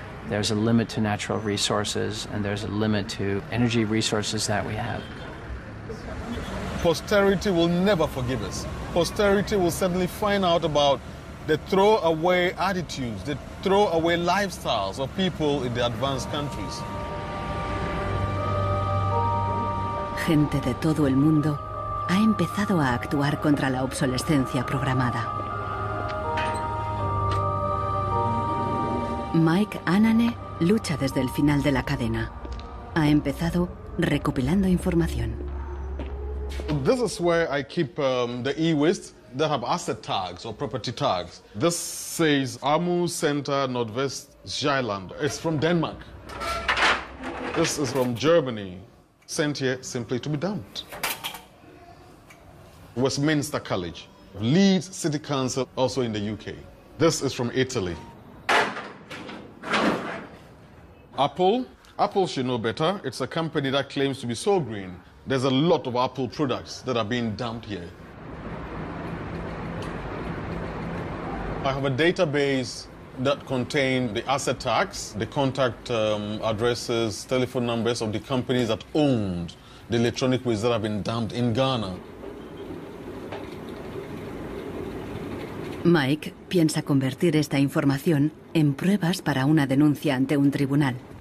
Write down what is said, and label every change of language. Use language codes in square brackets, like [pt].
[en] There's a limit to natural resources, and there's a limit to energy resources that we have. Posterity will never forgive us. Posterity will suddenly find out about the throwaway attitudes, the throwaway lifestyles of people in the advanced countries. [es] Gente de todo el mundo ha empezado a actuar contra la obsolescencia programada. Mike Anane lucha desde el final de la cadena. Ha empezado recopilando información. [en] This is where I keep the e-waste that have asset tags or property tags. This says Amu Center, Nordvest, Zealand. It's from Denmark. This is from Germany, sent here simply to be dumped. Westminster College, Leeds City Council, also in the UK. This is from Italy. Apple should know better. It's a company that claims to be so green. There's a lot of Apple products that are being dumped here. I have a database that contains the asset tags, the contact addresses, telephone numbers of the companies that owned the electronic waste that have been dumped in Ghana. [es] Mike piensa convertir esta información en pruebas para una denuncia ante un tribunal.